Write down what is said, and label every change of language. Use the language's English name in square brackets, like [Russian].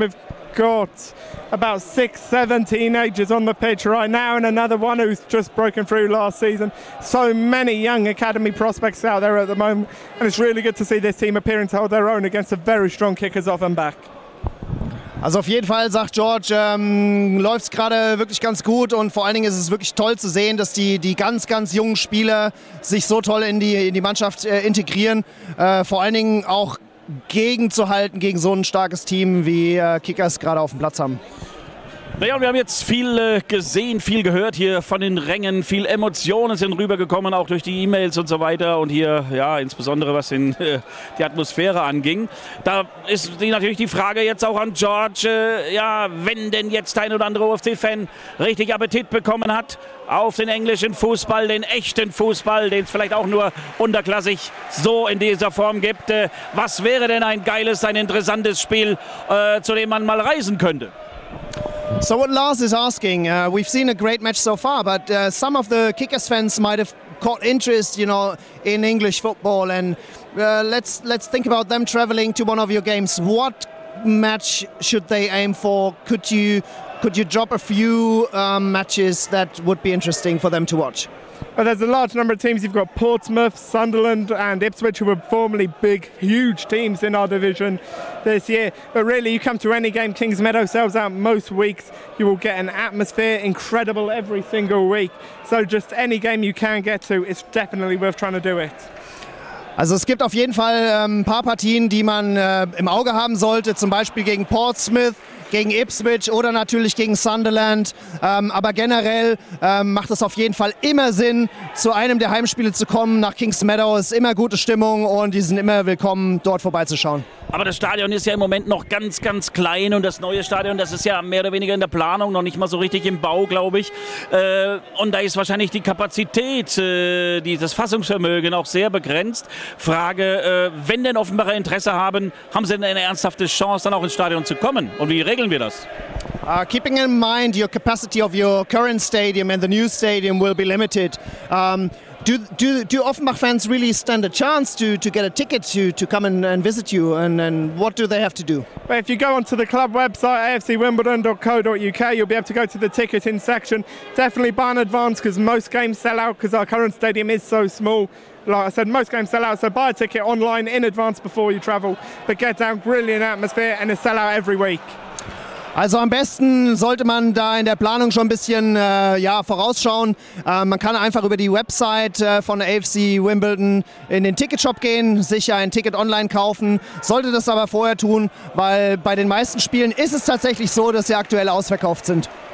[English] We've got about 6-7 teenagers on the pitch right now, and another one who's just broken through last season. So many young academy prospects out there at the moment, and it's really good to see this team appearing to hold their own against a very strong Kickers Offenbach. [German] Also auf jeden Fall, sagt George, läuft es gerade wirklich ganz gut, und vor allen Dingen ist es wirklich toll zu sehen, dass die ganz, ganz jungen Spieler sich so toll in die Mannschaft integrieren. Vor allen Dingen auch gegenzuhalten gegen so ein starkes Team, wie Kickers gerade auf dem Platz haben. Naja, wir haben jetzt viel gesehen, viel gehört hier von den Rängen, viel Emotionen sind rübergekommen, auch durch die E-Mails und so weiter, und hier, ja, insbesondere was in die Atmosphäre anging. Da ist natürlich die Frage jetzt auch an George, ja, wenn denn jetzt ein oder andere OFC-Fan richtig Appetit bekommen hat auf den englischen Fußball, den echten Fußball, den es vielleicht auch nur unterklassig so in dieser Form gibt, was wäre denn ein geiles, ein interessantes Spiel, zu dem man mal reisen könnte? [English] So what Lars is asking, we've seen a great match so far, but some of the Kickers fans might have caught interest, you know, in English football, and let's think about them traveling to one of your games. What match should they aim for? Could you drop a few matches that would be interesting for them to watch? Well, there's a large number of teams. You've got Portsmouth, Sunderland and Ipswich, who were formerly big, huge teams in our division this year. But really, you come to any game, King's Meadow sells out most weeks. You will get an atmosphere incredible every single week. So just any game you can get to, it's definitely worth trying to do it. [German] Also es gibt auf jeden Fall ein paar Partien, die man im Auge haben sollte, zum Beispiel gegen Portsmouth, gegen Ipswich oder natürlich gegen Sunderland. Aber generell macht es auf jeden Fall immer Sinn, zu einem der Heimspiele zu kommen nach King's Meadow. Es ist immer gute Stimmung, und die sind immer willkommen, dort vorbeizuschauen. Aber das Stadion ist ja im Moment noch ganz, ganz klein und das neue Stadion, das ist ja mehr oder weniger in der Planung, noch nicht mal so richtig im Bau, glaube ich. Und da ist wahrscheinlich die Kapazität, das Fassungsvermögen auch sehr begrenzt. Frage, wenn denn Offenbacher Interesse haben, haben sie denn eine ernsthafte Chance, dann auch ins Stadion zu kommen? Und wie regeln wir das? [English] Keeping in mind your capacity of your current stadium and the new stadium will be limited. Do Offenbach fans really stand a chance to get a ticket to come and visit you? And what do they have to do? Well, if you go onto the club website, afcwimbledon.co.uk, you'll be able to go to the ticketing section. Definitely buy an advance because most games sell out because our current stadium is so small. Like I said, most games sell out, so buy a ticket online in advance before you travel. But get down, brilliant atmosphere and a sellout every week. [German] Also am besten sollte man da in der Planung schon ein bisschen vorausschauen. Man kann einfach über die Website von AFC Wimbledon in den Ticketshop gehen, sich ein Ticket online kaufen. Sollte das aber vorher tun, weil bei den meisten Spielen ist es tatsächlich so, dass sie aktuell ausverkauft sind.